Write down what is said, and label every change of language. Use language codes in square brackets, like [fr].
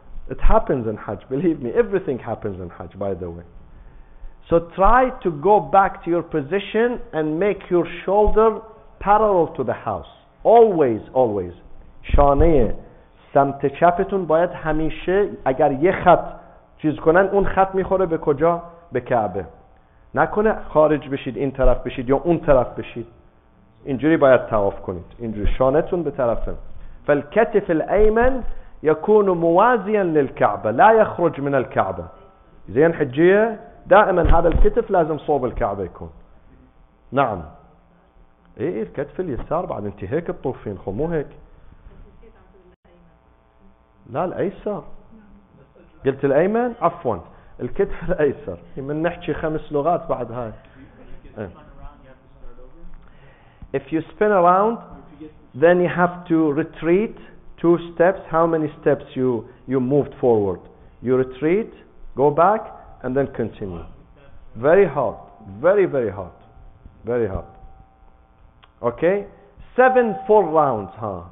[en] It happens in Hajj, believe me. Everything happens in Hajj, by the way. So try to go back to your position and make your shoulder parallel to the house. Always, always. Shaniye. [fa] سمت چپتون باید همیشه اگر یه خط چیز کنن اون خط میخوره به کجا؟ به کعبه. نکنه خارج بشید این طرف بشید یا اون طرف بشید. اینجوری باید طواف کنید. اینجوری شانتون به طرف. [ar] فالکتف الایمن یکون موازیا للکعبه لا یخرج من الکعبه. زین حجیه دائما هذا الکتف لازم صوب الکعبه يكون. نعم. ايه الكتف اليسار بعد انت هيك تطوفين خو مو هيك. لا الأيسر قلت الأيمن عفوا الكتف الأيسر من نحكي خمس لغات بعد هاي. [en] If you spin around then you have to retreat two steps. How many steps you moved forward? You retreat, go back and then continue. Very hard, very very hard, very hard. Okay, 7 full rounds, huh?